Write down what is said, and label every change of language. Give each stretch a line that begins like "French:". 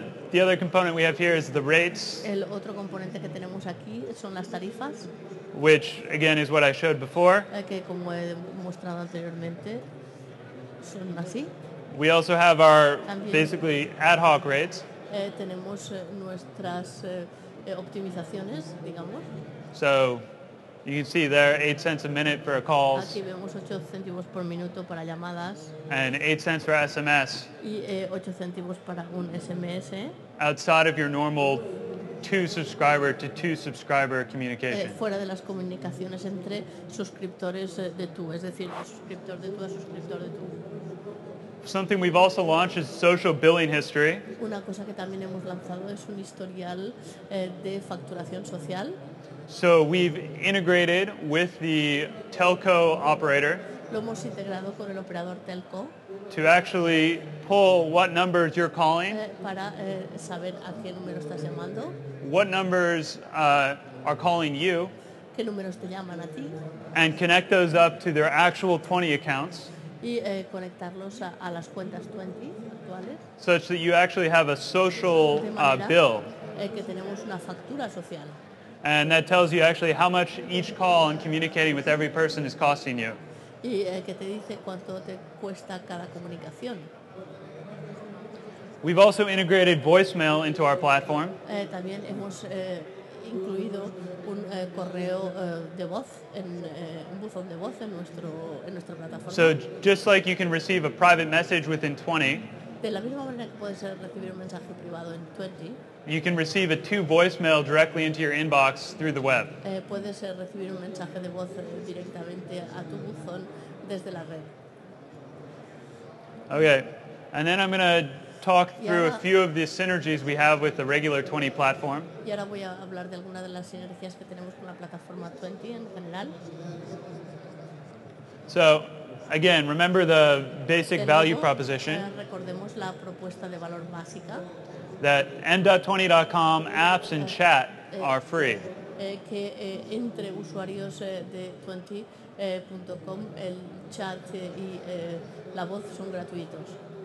English: The other component we have here is the rates.
Spanish: El otro componente que tenemos aquí son las tarifas.
English: Which, again, is what I showed before.
Spanish: Que como he mostrado anteriormente, son así.
English: We also have our basically ad hoc rates.
Spanish: Tenemos nuestras optimizaciones, digamos.
English: So you can see there 8 cents a minute for calls.
Spanish: Aquí vemos 8 céntimos por minuto para llamadas.
English: And 8 cents for SMS.
Spanish: Y 8 céntimos para un SMS.
English: Outside of your normal 2 subscriber to 2 subscriber communication.
Spanish: Fuera de las comunicaciones entre suscriptores de tú, es decir, suscriptor de tú a suscriptor de tú.
English: Something we've also launched is social billing history.
Spanish: Una cosa que también hemos lanzado es un historial de facturación social.
English: So we've integrated with the telco operator.
Spanish: Lo hemos integrado con el operador telco.
English: To actually pull what numbers you're calling.
Spanish: Para saber a qué número estás llamando.
English: What numbers are calling you.
Spanish: ¿Qué números te llaman a ti?
English: And connect those up to their actual 20 accounts.
Spanish: Y conectarlos a las cuentas 20 actuales.
English: Such that you actually have a social bill.
Spanish: Que tenemos una factura social.
English: And that tells you actually how much each call and communicating with every person is costing you.
Spanish: Y que te dice cuánto te cuesta cada comunicación.
English: We've also integrated voicemail into our platform.
Spanish: También hemos incluido un correo de voz, un buzón de voz en nuestra plataforma.
English: So just like you can receive a private message within 20.
Spanish: De la misma manera que puedes recibir un mensaje privado en 20.
English: You can receive a 2 voicemail directly into your inbox through the web.
Spanish: Puedes recibir un mensaje de voz directamente a tu buzón desde la red.
English: Okay, and then I'm going to talk through a few of the synergies we have with the regular 20 platform.
Spanish: Y ahora voy a hablar de alguna de las sinergias que tenemos con la plataforma 20 en general.
English: So, again, remember the basic value proposition.
Spanish: Recordemos la propuesta de valor básica.
English: That n.20.com apps and chat are free.
Spanish: Que entre usuarios de 20.com el chat y la voz son gratuitos.